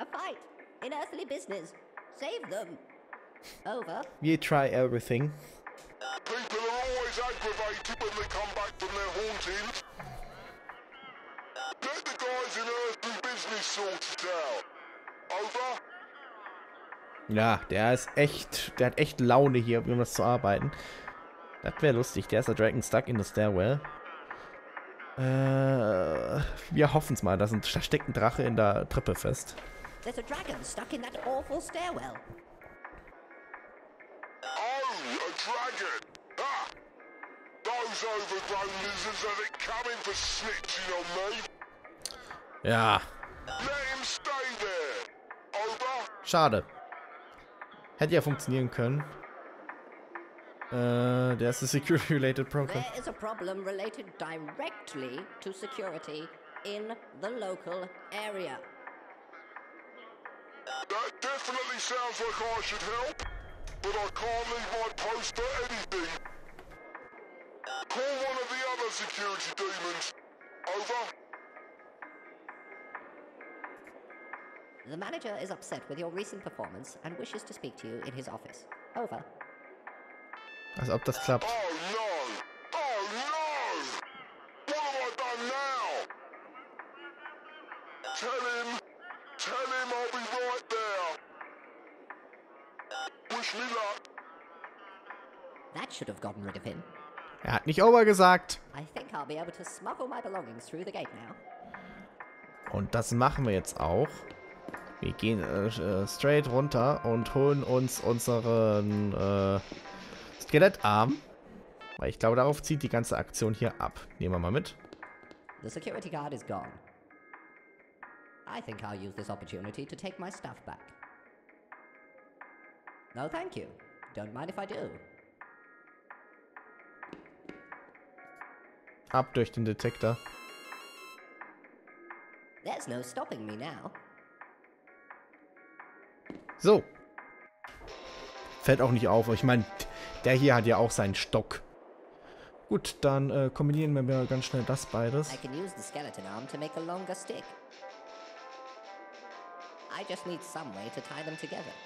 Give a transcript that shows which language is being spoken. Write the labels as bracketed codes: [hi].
[en] A fight. In earthly business. Save them. Over. You try everything. People are always aggravated when they come back from their hauntings. Let the guys in earthly business sort it out. Over. [de] Ja, der ist echt, der hat echt Laune hier, um das zu arbeiten. Das wäre lustig, der ist der [en] Dragon stuck in the stairwell. [de] Wir hoffen es mal, da steckt ein Drache in der Treppe fest. [en] There's a dragon stuck in that awful stairwell. Oh, a dragon! Ah! Those overgrown lizards are coming for snitching on me! [de] Ja. [en] Let him stay there! Over! [de] Schade. Hätte ja funktionieren können. Der ist ein Security-related Problem. [en] There is a problem related directly to security in the local area. That definitely sounds like I should help, but I can't leave my post for anything. Call one of the other security demons. Over. The manager is upset with your recent performance and wishes to speak to you in his office. Over. [de] Als ob das klappt. [en] Oh no! Oh no! What have I done now? Tell him! Tell him I'll be right there! Wish me luck! That should have gotten rid of him. [de] Er hat nicht over gesagt. [en] I think I'll be able to smuggle my belongings through the gate now. [de] Und das machen wir jetzt auch. Wir gehen straight runter und holen uns unseren Skelettarm. Weil ich glaube, darauf zieht die ganze Aktion hier ab. Nehmen wir mal mit. [en] The security guard is gone. I think I'll use this opportunity to take my stuff back. No, thank you. Don't mind if I do. [de] Ab durch den Detektor. [en] There's no stopping me now. [de] So. Fällt auch nicht auf. Ich meine, der hier hat ja auch seinen Stock. Gut, dann kombinieren wir mal ganz schnell das beides. [en] I can use the skeleton arm to make a longer stick. I just need some way to tie them together.